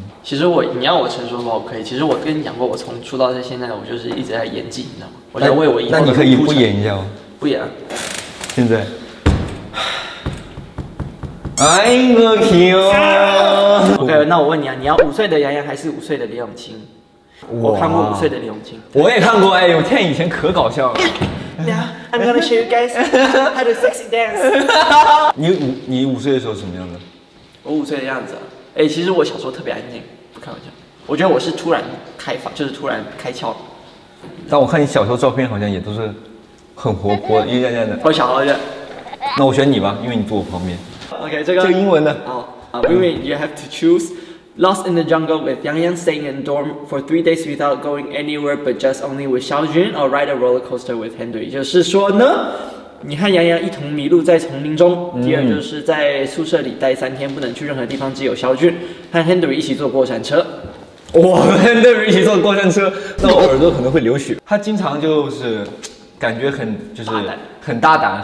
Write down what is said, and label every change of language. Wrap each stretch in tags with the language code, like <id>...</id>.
<zh>其实我，你要我成熟的话，我可以。其实我跟你讲过，我从出道到现在，我就是一直在演技，你知道吗？我在为我以后那你可以不演一下吗？不演、啊。现在。</zh> <en>I'm the king.</en> <zh>OK， 那我问你啊，你要5岁的杨洋还是5岁的李永清？我看过5岁的李永清，我也看过。哎，我天，以前可搞笑了。</zh> <en>Now I'm gonna show you guys how to sexy dance.</en> <zh>你五岁的时候什么样的？我5岁的样子、啊，哎，其实我小时候特别安静，不开玩笑。我觉得我是突然开放，就是突然开窍。但我看你小时候照片好像也都是很活泼，一样样的。我小时候就…… 那我选你吧，因为你坐我旁边。 OK， 这个英文的。哦，因为</zh> <en>you have to choose Lost in the Jungle with Yang Yang staying in dorm for 3 days without going anywhere but just only with Xiao Jun or ride a roller coaster with Henry。</en> <zh>就是说呢，你和杨洋一同迷路在丛林中。第二就是在宿舍里待3天，不能去任何地方，只有萧俊和 Henry 一起坐过山车。哇 ，Henry 一起坐过山车，那我耳朵可能会流血。他经常就是感觉很就是很大胆，</zh>